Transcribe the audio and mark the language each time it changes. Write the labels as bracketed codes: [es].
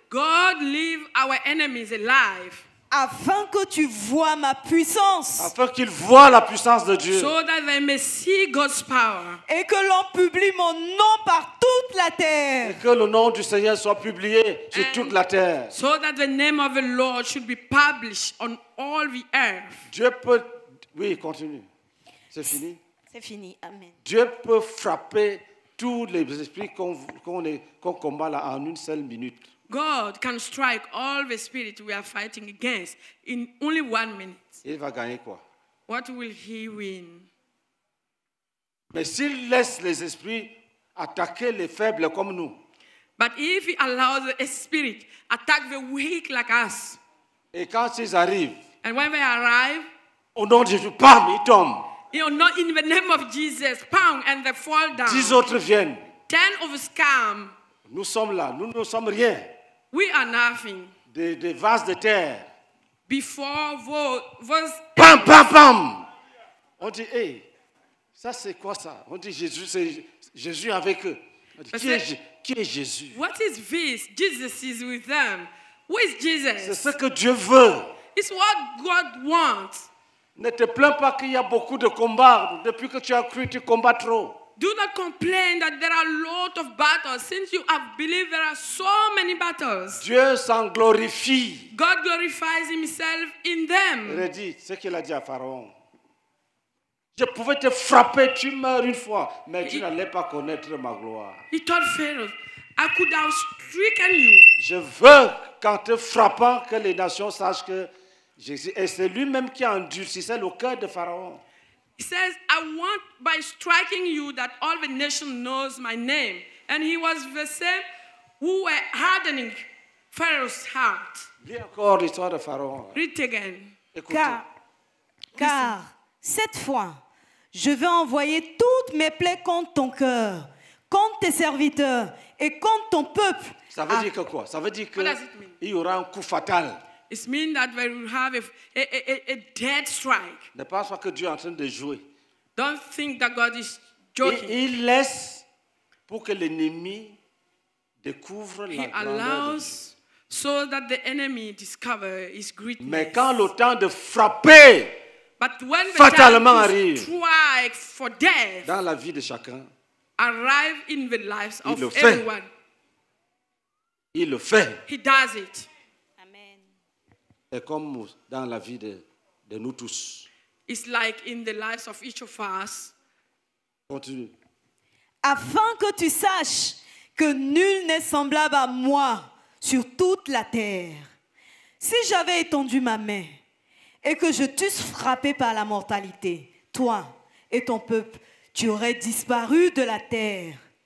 [en] God leave our enemies alive. [fr] afin que tu vois ma puissance. Afin qu'ils voient la puissance de Dieu. [en] So that they may see God's power. [fr] Et que l'on publie mon nom par toute la terre. Et que le nom du Seigneur soit publié sur toute la terre. [en] So that the name of the Lord should be published on all the earth. [fr] Dieu peut... Oui, continue. C'est fini. C'est fini, amen. Dieu peut frapper tous les esprits qu'on combat là en une seule minute. [en] God can strike all the spirits we are fighting against in only 1 minute. [fr] Il va gagner quoi? [en] What will he win? [fr] Mais s'il laisse les esprits attaquer les faibles comme nous. [en] But if he allows the spirit attack the weak like us. [fr] Et quand ils arrivent. [en] And when they arrive. [fr] Au nom de Jésus, bam, ils tombent. [en] You know, in the name of Jesus, bam, and they fall down. [fr] 10 autres viennent. [en] 10 of us come. [fr] Nous sommes là, nous ne sommes rien. [en] We are nothing. [fr] Des vases de terre. Before vos pam pam pam. On dit hey, ça c'est quoi ça? On dit Jésus, c'est Jésus avec eux. On dit, qui est Jésus? [en] What is this? Jesus is with them. Who is Jesus? [fr] C'est ce que Dieu veut. [en] It's what God wants. [fr] Ne te plains pas qu'il y a beaucoup de combats depuis que tu as cru tu combats trop. [en] Do not complain that there are a lot of battles since you have believed there are so many battles. [fr] Dieu s'en glorifie. [en] God glorifies himself in them. [fr] Redis ce qu'il a dit à Pharaon. Je pouvais te frapper, tu meurs une fois, mais tu n'allais pas connaître ma gloire. [en] He told Pharaoh, I could have stricken you. [fr] Je veux qu'en te frappant, que les nations sachent que Jésus, et c'est lui-même qui endurcissait le cœur de Pharaon. [en] He says, I want by striking you that all the nation knows my name. And he was the same who were hardening Pharaoh's heart. [fr] Lis encore l'histoire de Pharaon. [en] Read it again. [fr] Écoutez. Car cette fois, je vais envoyer toutes mes plaies contre ton cœur, contre tes serviteurs et contre ton peuple. Ça veut dire que quoi? Ça veut dire qu'il y aura un coup fatal. [en] It means that we will have a dead strike. [fr] Ne pense pas que Dieu est en train de jouer. [en] Don't think that God is joking. [fr] Il laisse pour que l'ennemi découvre la grandeur. [en] He allows so that the enemy discover his greatness. [fr] Mais quand le temps de frapper fatalement arrive, [en] strike for death [fr] dans la vie de chacun, [en] arrive in the lives of everyone. [fr] Il le fait. [en] He does it. [fr] C'est comme dans la vie de nous tous. [en] It's like in the lives of each of us. [fr] Continue. Afin que tu saches que nul n'est semblable à moi sur toute la terre. Si j'avais étendu ma main et que je t'eusse frappé par la mortalité, toi et ton peuple, tu aurais disparu de la terre.